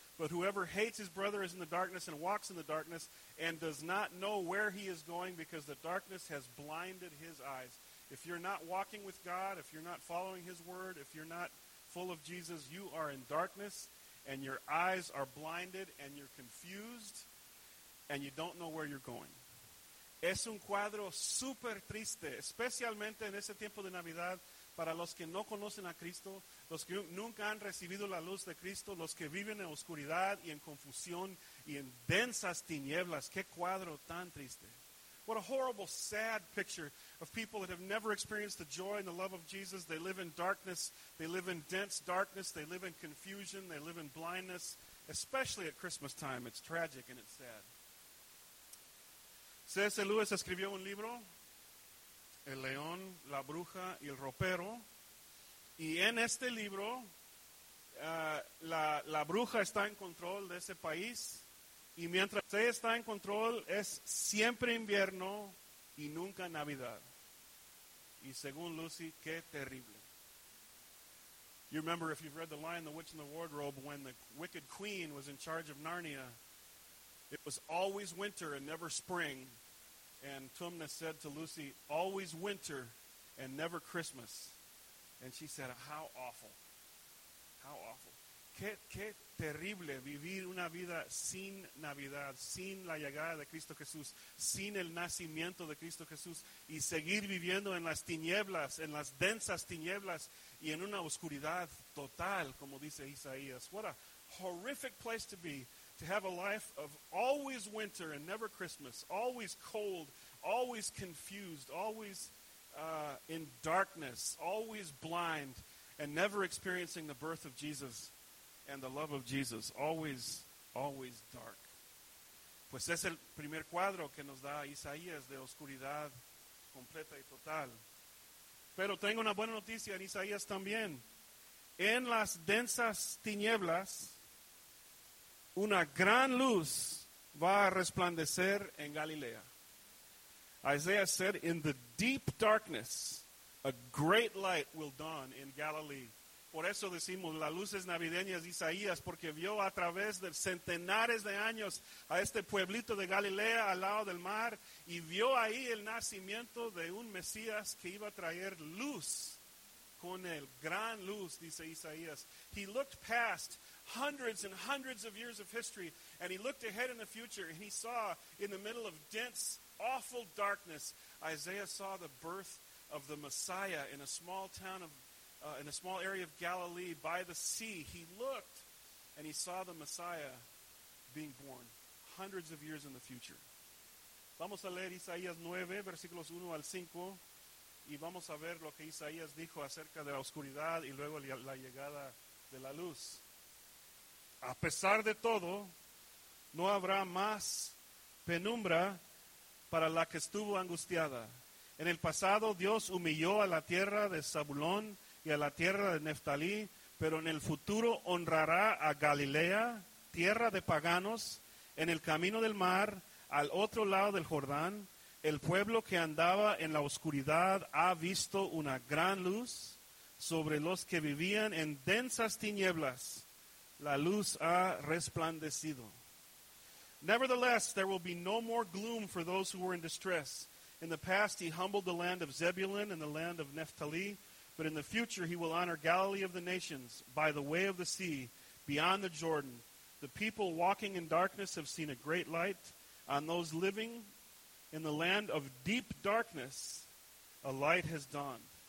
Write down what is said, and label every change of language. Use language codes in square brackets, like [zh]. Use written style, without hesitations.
[en] But whoever hates his brother is in the darkness and walks in the darkness and does not know where he is going because the darkness has blinded his eyes. If you're not walking with God, if you're not following his word, if you're not full of Jesus, you are in darkness. And your eyes are blinded, and you're confused, and you don't know where you're going. [es] Es un cuadro super triste, especialmente en ese tiempo de Navidad, para los que no conocen a Cristo, los que nunca han recibido la luz de Cristo, los que viven en oscuridad y en confusión y en densas tinieblas. Qué cuadro tan triste. [en] What a horrible, sad picture of people that have never experienced the joy and the love of Jesus. They live in darkness. They live in dense darkness. They live in confusion. They live in blindness. Especially at Christmas time, it's tragic and it's sad. C.S. [es] Lewis escribió un libro, El León, La Bruja y El Ropero. Y en este libro, la bruja está en control de ese país. Y mientras ella está en control, es siempre invierno y nunca Navidad. Y según Lucy, qué terrible. [en] You remember, if you've read The Lion, the Witch, and the Wardrobe, when the wicked queen was in charge of Narnia, it was always winter and never spring. And Tumna said to Lucy, always winter and never Christmas. And she said, how awful. How awful. [es] Qué terrible vivir una vida sin Navidad, sin la llegada de Cristo Jesús, sin el nacimiento de Cristo Jesús, y seguir viviendo en las tinieblas, en las densas tinieblas, y en una oscuridad total, como dice Isaías. [en] What a horrific place to be, to have a life of always winter and never Christmas, always cold, always confused, always in darkness, always blind, and never experiencing the birth of Jesus. And the love of Jesus, always, always dark. [es] Pues es el primer cuadro que nos da Isaías de oscuridad completa y total. Pero tengo una buena noticia en Isaías también. En las densas tinieblas, una gran luz va a resplandecer en Galilea. [en] Isaiah said, in the deep darkness, a great light will dawn in Galilee. [es] Por eso decimos las luces navideñas de Isaías, porque vio a través de centenares de años a este pueblito de Galilea al lado del mar y vio ahí el nacimiento de un Mesías que iba a traer luz con el gran luz, dice Isaías. [en] He looked past hundreds and hundreds of years of history and he looked ahead in the future and he saw in the middle of dense, awful darkness, Isaiah saw the birth of the Messiah in a small town of in a small area of Galilee by the sea. He looked and he saw the Messiah being born hundreds of years in the future. [es] Vamos a leer Isaías 9, versículos 1 al 5, y vamos a ver lo que Isaías dijo acerca de la oscuridad y luego la llegada de la luz. A pesar de todo, no habrá más penumbra para la que estuvo angustiada. En el pasado, Dios humilló a la tierra de Zabulón y a la tierra de Neftalí, pero en el futuro honrará a Galilea, tierra de paganos, en el camino del mar, al otro lado del Jordán. El pueblo que andaba en la oscuridad ha visto una gran luz. Sobre los que vivían en densas tinieblas, la luz ha resplandecido. [en] Nevertheless, there will be no more gloom for those who were in distress. In the past, he humbled the land of Zebulun and the land of Neftalí. But in the future, he will honor Galilee of the nations by the way of the sea, beyond the Jordan. The people walking in darkness have seen a great light. On those living in the land of deep darkness, a light has dawned.